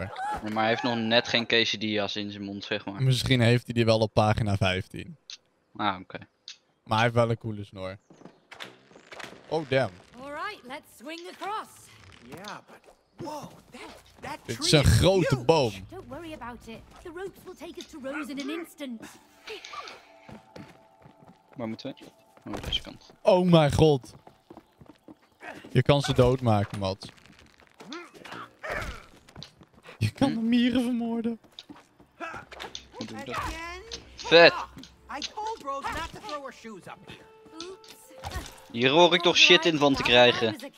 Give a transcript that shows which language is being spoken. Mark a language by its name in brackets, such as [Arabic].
[Dutch] Ja, maar hij heeft nog net geen quesadillas in zijn mond, zeg maar. Misschien heeft hij die wel op pagina 15. Ah, oké. Okay. Maar hij heeft wel een coole snor. [English] Oh, damn. All right, let's swing across. Yeah, but... Whoa, that tree is huge. [Dutch] Dit is een grote boom. [English] Don't worry about it. The ropes will take us to Rose in an instant. [Dutch] Waar moeten we? Oh, deze kant. Oh mijn god. Je kan ze doodmaken, Mat. Je kan de mieren vermoorden. Wat doe ik dat? Vet. [English] I told Rose not to throw her shoes up. Oops. [Dutch] Hier hoor ik toch shit in van te krijgen.